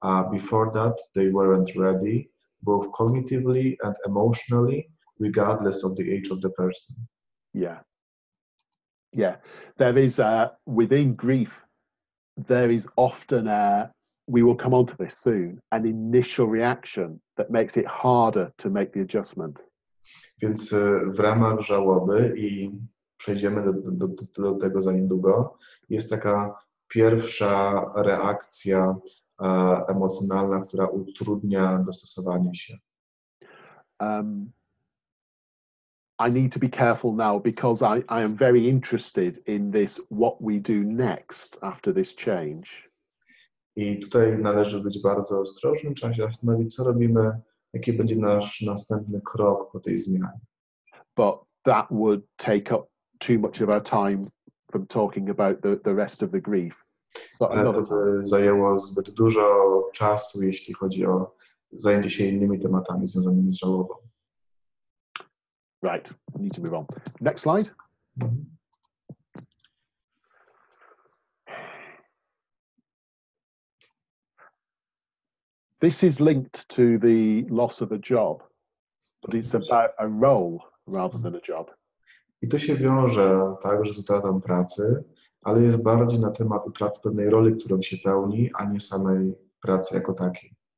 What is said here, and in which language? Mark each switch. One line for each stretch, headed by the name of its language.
English: Before that, they weren't ready, both cognitively and emotionally, regardless of the age of the person. Yeah. Yeah. There is, within grief, there is often a, we will come onto this soon, an initial reaction that makes it harder to make the adjustment.
Polish: Więc w ramach żałoby i przejdziemy do tego za niedługo, jest taka pierwsza reakcja emocjonalna, która utrudnia dostosowanie się.
English: I need to be careful now because I am very interested in this, what we do next after this change.
Polish: I tutaj należy być bardzo ostrożnym, trzeba się zastanowić, co robimy, jaki będzie nasz następny krok po tej zmianie.
English: But that would take up too much of our time from talking about the rest of the grief. So another time.
Polish: Zajęło zbyt dużo czasu, jeśli chodzi o zajęcie się innymi tematami związanymi z żałobą.
English: Right, I need to move on. Next slide. This is linked to the loss of a job, but it's about a role rather than a job.
Polish: I to się wiąże także z utratą pracy, ale jest bardziej na temat utraty pewnej roli, którą się pełni, a nie samej pracy jako takiej.